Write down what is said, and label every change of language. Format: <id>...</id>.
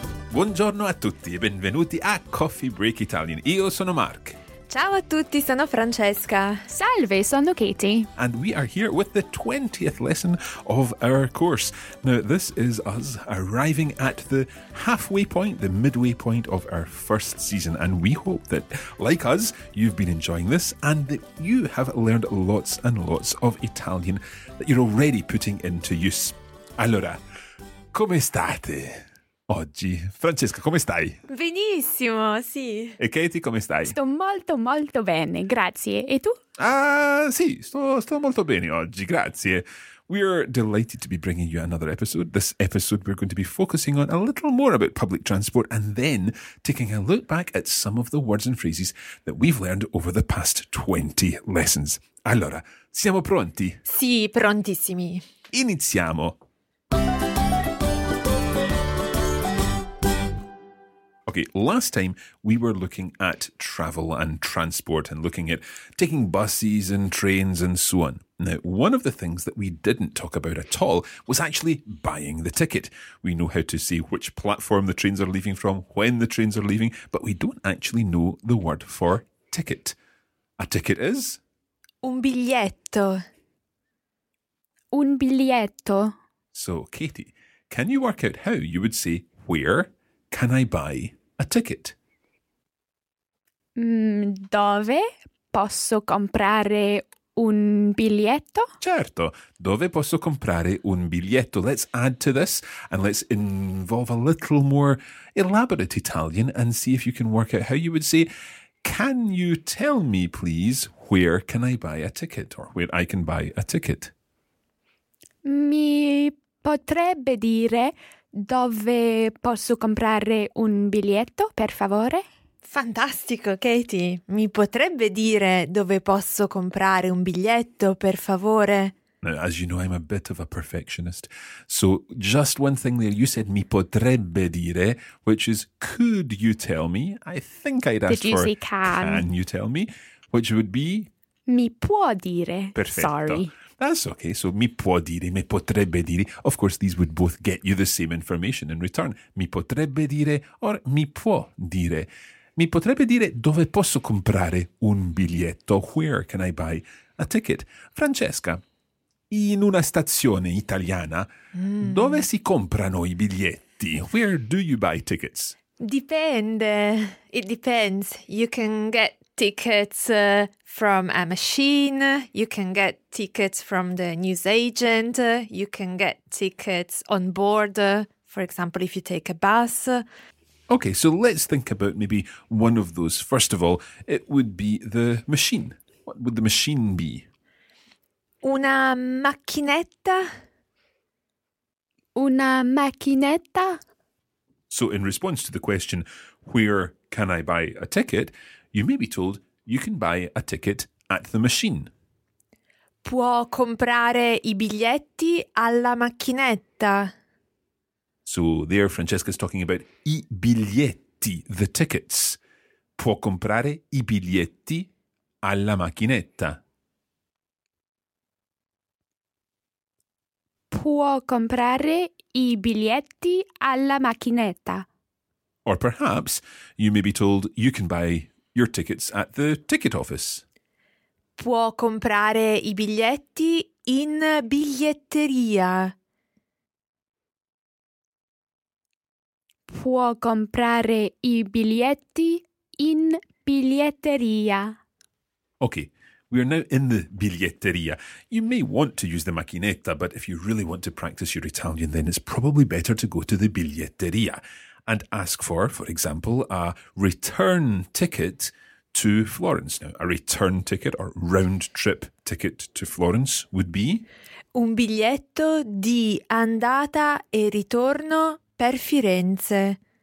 <it>Buongiorno a tutti e benvenuti a Coffee Break Italian. Io sono Mark. Ciao a tutti, sono Francesca. Salve, sono Katie.</it> <en>And we are here with the 20th lesson of our course. Now, this is us arriving at the halfway point, the midway point of our first season. And we hope that, like us, you've been enjoying this and that you have learned lots and lots of Italian that you're already putting into use.</en> <it>Allora, come state oggi? Francesca, come stai? Benissimo, sì. E Katie, come stai? Sto molto, molto bene, grazie. E tu? Ah, sì, sto molto bene oggi, grazie.</it> <en>We are delighted to be bringing you another episode. This episode we're going to be focusing on a little more about public transport and then taking a look back at some of the words and phrases that we've learned over the past 20 lessons.</en> <it>Allora, siamo pronti? Sì, prontissimi. Iniziamo!</it> <en>Okay, last time we were looking at travel and transport and looking at taking buses and trains and so on. Now, one of the things that we didn't talk about at all was actually buying the ticket. We know how to say which platform the trains are leaving from, when the trains are leaving, but we don't actually know the word for ticket. A ticket is?</en> <it>Un biglietto. Un biglietto.</it> <en>So, Katie, can you work out how you would say where can I buy a ticket?</en> <it>Dove posso comprare un biglietto? Certo, dove posso comprare un biglietto?</it> <en>Let's add to this and let's involve a little more elaborate Italian and see if you can work out how you would say, can you tell me, please, where can I buy a ticket or where I can buy a ticket?</en> <it>Mi potrebbe dire... Dove posso comprare un biglietto, per favore? Fantastico, Katie. Mi potrebbe dire dove posso comprare un biglietto, per favore?</it> <en>Now, as you know, I'm a bit of a perfectionist. So, just one thing there. You said</en> <it>mi potrebbe dire,</it> <en>which is could you tell me? I think I'd ask Did you for say can? Can you tell me? Which would be?</en> <it>Mi può dire. Perfetto.</it> <en>Sorry. That's okay. So,</en> <it>mi può dire, me potrebbe dire.</it> <en>Of course, these would both get you the same information in return.</en> <it>Mi potrebbe dire</it> <en>or</en> <it>mi può dire. Mi potrebbe dire dove posso comprare un biglietto?</it> <en>Where can I buy a ticket?</en> <it>Francesca, in una stazione italiana, dove si comprano i biglietti?</it> <en>Where do you buy tickets?</en> <it>Dipende.</it> <en>It depends. You can get tickets from a machine, you can get tickets from the news agent, you can get tickets on board, for example, if you take a bus. Okay, so let's think about maybe one of those. First of all, it would be the machine. What would the machine be?</en> <it>Una macchinetta. Una macchinetta.</it> <en>So in response to the question, where can I buy a ticket, you may be told you can buy a ticket at the machine.</en> <it>Può comprare i biglietti alla macchinetta.</it> <en>So there Francesca's talking about</en> <it>i biglietti,</it> <en>the tickets.</en> <it>Può comprare i biglietti alla macchinetta. Può comprare i biglietti alla macchinetta.</it> <en>Or perhaps you may be told you can buy your tickets at the ticket office.</en> <it>Può comprare i biglietti in biglietteria. Può comprare i biglietti in biglietteria.</it> <en>Okay, we are now in the biglietteria. You may want to use the macchinetta, but if you really want to practice your Italian, then it's probably better to go to the biglietteria and ask for example, a return ticket to Florence. Now, a return ticket or round trip ticket to Florence would be?</en> <it>Un biglietto di andata e ritorno per Firenze.</it>